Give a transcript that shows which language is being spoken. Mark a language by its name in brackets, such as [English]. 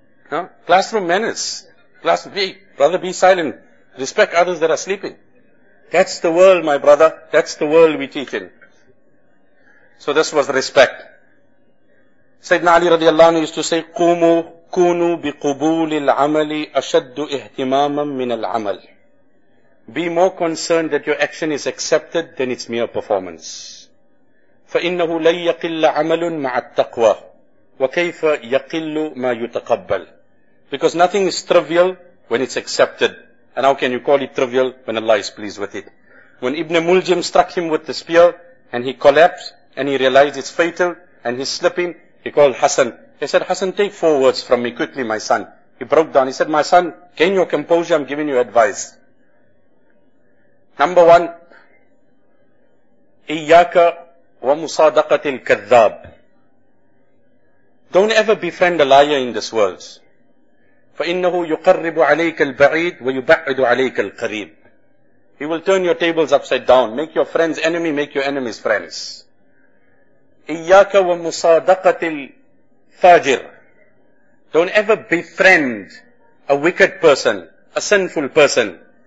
[English] No? Classroom manners. Brother, be silent. Respect others that are sleeping. That's the world, my brother. That's the world we teach in. So this was respect. Sayyidina Ali radiallahu anhu used to say, [Arabic] قُومُوا كُونُوا بِقُبُولِ الْعَمَلِ أَشَدُّ اِهْتِمَامًا مِنَ الْعَمَلِ. [English] Be more concerned that your action is accepted than its mere performance. [Arabic] فَإِنَّهُ لَيَّقِلَّ عَمَلٌ مَعَ التَّقْوَى وَكَيْفَ يَقِلُّ مَا يُتَقَبَّلُ. [English] Because nothing is trivial when it's accepted. And how can you call it trivial when Allah is pleased with it? When Ibn Muljim struck him with the spear and he collapsed and he realized it's fatal and he's slipping, he called Hassan. He said, Hassan, take 4 words from me quickly, my son. He broke down. He said, my son, gain your composure, I'm giving you advice. Number one, [Arabic] إِيَّاكَ وَمُصَادَقَةِ الْكَذَّابِ. [English] Don't ever befriend a liar in this world. [Arabic] فَإِنَّهُ يُقَرِّبُ عَلَيْكَ الْبَعِيدُ وَيُبَعِّدُ عَلَيْكَ الْقَرِيبُ. [English] He will turn your tables upside down. Make your friend's enemy, make your enemy's friends. [Arabic] إِيَّاكَ وَمُصَادَقَةِ الْفَاجِرِ [English] Don't ever befriend a wicked person, a sinful person.